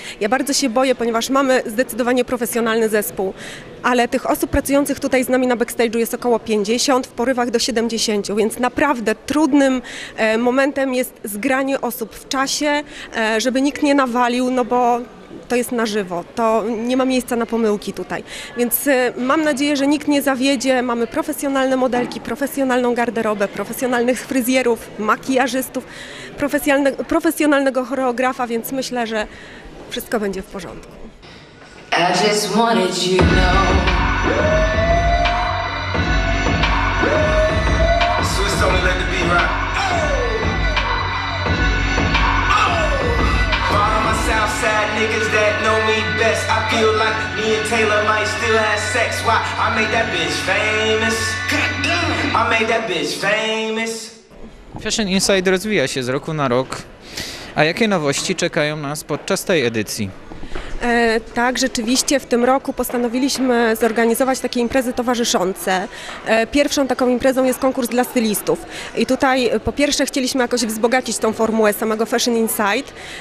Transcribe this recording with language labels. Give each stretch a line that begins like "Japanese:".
Polish: Ja bardzo się boję, ponieważ mamy zdecydowanie profesjonalny zespół, ale tych osób pracujących tutaj z nami na backstage'u jest około 50, w porywach do 70, więc naprawdę trudnym momentem jest zgranie osób w czasie, żeby nikt nie nawalił, no bo to jest na żywo, to nie ma miejsca na pomyłki tutaj. Więc mam nadzieję, że nikt nie zawiedzie, mamy profesjonalne modelki, profesjonalną garderobę, profesjonalnych fryzjerów, makijażystów, profesjonalnego choreografa, więc myślę, że wszystko będzie w porządku.
English: I just wanted you to know. Swiss only let the beat rock. For all my Southside niggas that know me best, I feel like me and Taylor might still have sex. Why? I made that bitch famous. Goddamn! I made that bitch famous.
Polish: Fashion Inside rozwija się z roku na rok. A jakie nowości czekają nas podczas tej edycji? Tak, rzeczywiście w tym roku postanowiliśmy zorganizować takie imprezy towarzyszące. Pierwszą taką imprezą jest konkurs dla stylistów. I tutaj po pierwsze chcieliśmy jakoś wzbogacić tą formułę samego Fashion Insight.